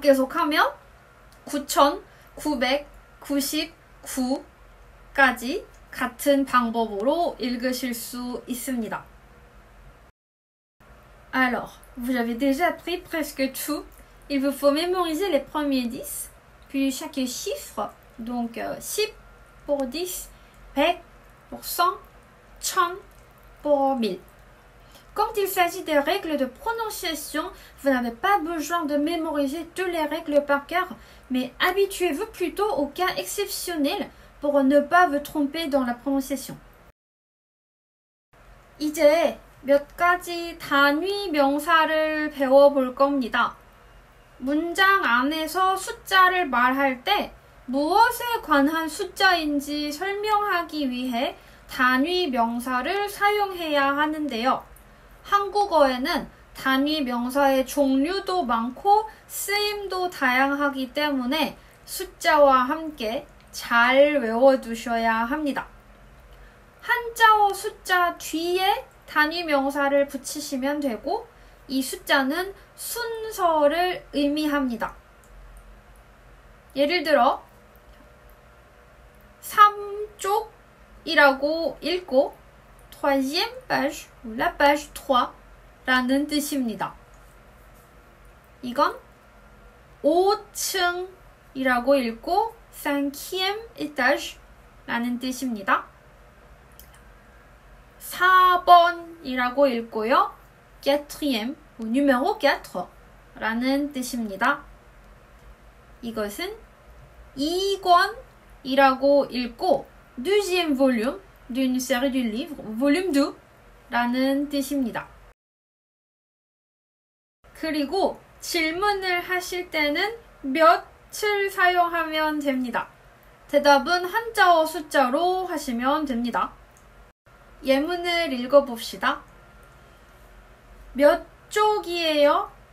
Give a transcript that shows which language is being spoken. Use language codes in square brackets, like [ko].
[ko] 계속 하면 9999까지 같은 방법으로 읽으실 수 있습니다. [fr] Alors, vous avez déjà appris presque tout. Il vous faut mémoriser les premiers 10. Puis chaque chiffre, donc 10 pour 10, 100 pour 100, 1000 pour 1000. Quand il s'agit des règles de prononciation, vous n'avez pas besoin de mémoriser toutes les règles par cœur, mais habituez-vous plutôt aux cas exceptionnels pour ne pas vous tromper dans la prononciation. [ko] 이제 몇 가지 단위 명사를 배워볼 겁니다. 문장 안에서 숫자를 말할 때 무엇에 관한 숫자인지 설명하기 위해 단위 명사를 사용해야 하는데요. 한국어에는 단위 명사의 종류도 많고 쓰임도 다양하기 때문에 숫자와 함께 잘 외워두셔야 합니다. 한자어 숫자 뒤에 단위 명사를 붙이시면 되고, 이 숫자는 순서를 의미합니다. 예를 들어, 삼쪽이라고 읽고, [fr] troisième page ou la page 3 [ko] 라는 뜻입니다. 이건 5층이라고 읽고, [fr] cinquième étage [ko] 라는 뜻입니다. 4번이라고 읽고요. [fr] quatrième, numéro quatre [ko] 라는 뜻입니다. 이것은 2권이라고 읽고, [fr] deuxième volume d'une série du livre, volume 2 [ko] 라는 뜻입니다. 그리고 질문을 하실 때는 몇을 사용하면 됩니다. 대답은 한자어 숫자로 하시면 됩니다. 예문을 읽어봅시다. 몇 쪽이에요?